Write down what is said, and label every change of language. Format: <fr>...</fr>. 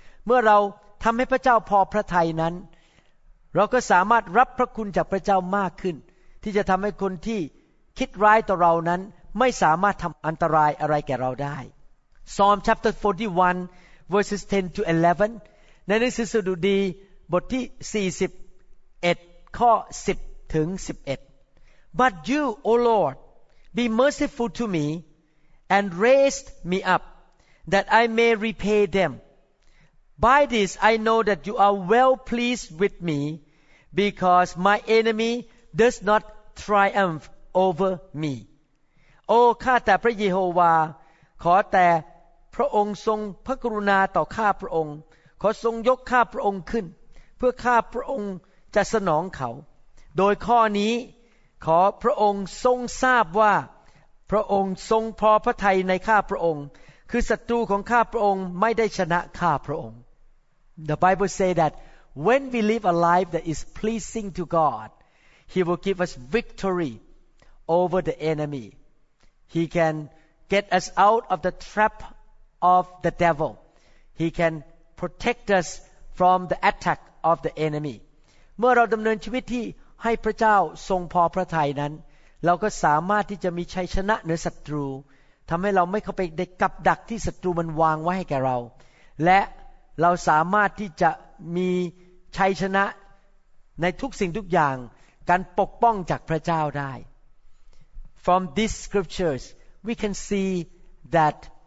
<th>เมื่อเราทำให้พระเจ้าพอพระทัยนั้นเราก็สามารถรับพระคุณจากพระเจ้ามากขึ้นที่จะทำให้คนที่คิดร้ายต่อเรานั้นไม่สามารถทำอันตรายอะไรแก่เราได้</th> <en>Psalm chapter 41 verses 10 to 11</en> <th>ในหนังสือสดุดีบทที่41ข้อ10ถึง11</th> <en>But you, O Lord, be merciful to me and raise me up that I may repay them. By this I know that you are well pleased with me because my enemy does not triumph over me.</en> <th>โอ้ข้าแต่พระเยโฮวาขอแต่พระองค์ทรงพระกรุณาต่อข้าพระองค์ขอทรงยกข้าพระองค์ขึ้นเพื่อข้าพระองค์จะสนองเขาโดยข้อนี้ขอพระองค์ทรงทราบว่า พระองค์ทรงพอพระทัยในข้าพระองค์คือศัตรูของข้าพระองค์ไม่ได้ชนะข้าพระองค์</th> <en>The Bible say that when we live a life that is pleasing to God he will give us victory over the enemyHe can get us out of the trap of the devil. He can protect us from the attack of the enemy.</en> <th>เมื่อเราดำเนินชีวิตที่ให้พระเจ้าทรงพอพระทัยนั้นเราก็สามารถที่จะมีชัยชนะเหนือศัตรูทำให้เราไม่เข้าไปในกับดักที่ศัตรูมันวางไว้ให้แก่เราและเราสามารถที่จะมีชัยชนะในทุกสิ่งทุกอย่างการปกป้องจากพระเจ้าได้</th> <en>From these scriptures, we can see that</en>